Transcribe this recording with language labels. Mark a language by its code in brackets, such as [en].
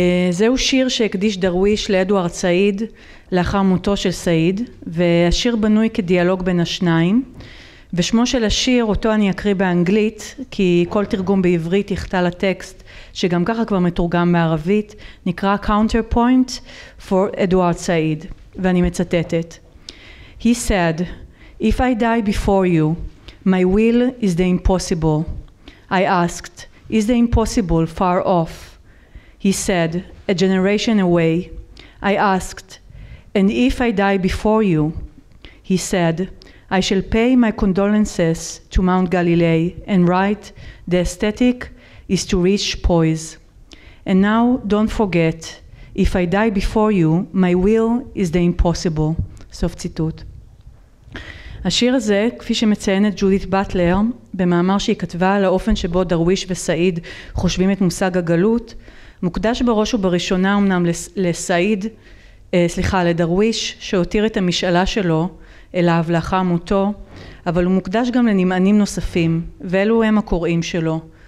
[he] זהו שיר שהקדיש דרוויש לאדוארד סעיד לאחר מותו של סעיד, והשיר בנוי כדיאלוג בין השניים, ושמו של השיר, אותו אני אקריא באנגלית, כי כל תרגום בעברית יחטא לטקסט שגם ככה כבר מתורגם בערבית, נקרא Counterpoint for Edward Said, ואני מצטטת. [en] He said, "If I die before you, my will is the impossible." I asked, "Is the impossible far off?" He said, "A generation away." I asked, "And if I die before you?" He said, "I shall pay my condolences to Mount Galilee and write, 'The aesthetic is to reach poise.' And now don't forget, if I die before you, my will is the impossible." [he] סוף ציטוט. השיר הזה, כפי שמציינת ג'ודית בטלר, במאמר שהיא כתבה על האופן שבו דרוויש וסעיד חושבים את מושג הגלות, מוקדש בראש ובראשונה אמנם לסעיד, סליחה, לדרוויש, שהותיר את המשאלה שלו אליו לאחר מותו, אבל הוא מוקדש גם לנמענים נוספים, ואלו הם הקוראים שלו.